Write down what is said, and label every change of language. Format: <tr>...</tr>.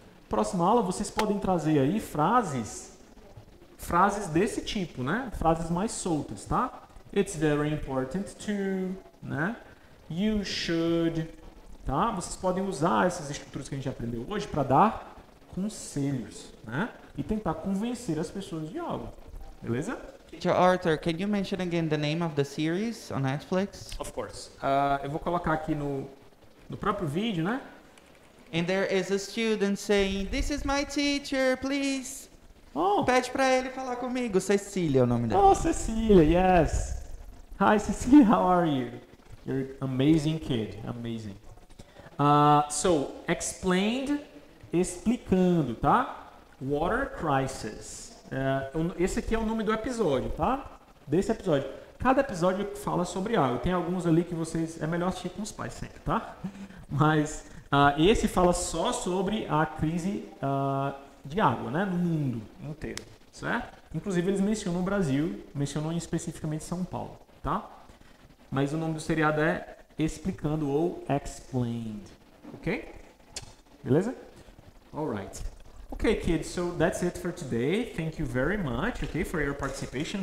<pt>Próxima aula, vocês podem trazer aí frases desse tipo, né? Frases mais soltas, tá?</pt> <en>It's very important to,</en> <pt>né?</pt> <en>You should,</en> <pt>tá? Vocês podem usar essas estruturas que a gente aprendeu hoje para dar conselhos, né? E tentar convencer as pessoas de algo, beleza?</pt> <en>Arthur, can you mention again the name of the series on Netflix? Of course.</en> <pt>Eu vou colocar aqui no próprio vídeo, né?</pt> <en>And there is a student saying, this is my teacher, please. Oh.</en> <pt>Pede para ele falar comigo. Cecília é o nome dela.</pt> <en>Oh, Cecília, yes. Hi, Cecília, how are you? You're amazing kid, amazing. So, explained, explicando, tá? Water crisis.</en> <pt>Esse aqui é o nome do episódio, tá? Desse episódio. Cada episódio fala sobre água. Tem alguns ali que vocês... É melhor assistir com os pais sempre, tá? Mas esse fala só sobre a crise de água, né? No mundo inteiro, certo? Inclusive, eles mencionam o Brasil, mencionam especificamente São Paulo, tá? Mas o nome do seriado é Explicando ou Explained, ok?</pt> <en>Beleza? Alright. Okay, kids, so that's it for today. Thank you very much, okay, for your participation.</en>